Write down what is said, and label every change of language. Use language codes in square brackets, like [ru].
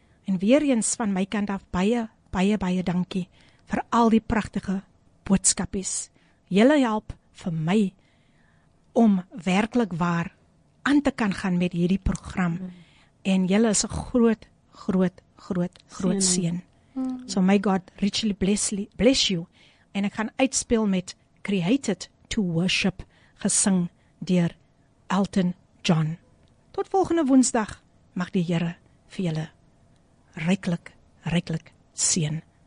[af] En weer eens van my kant af, baie, baie, baie dankie vir al die pragtige boodskapies. Julle help vir my om werklik waar aan te kan gaan met hierdie program. En julle is 'n groot, groot, groot, groot seën. [en] So my God, richly bless you. [af] En ek gaan uitspeel met Created to Worship, gesing deur Elton John. Tot volgende Woensdag, mag die Here vir julle ryklik, ryklik seën.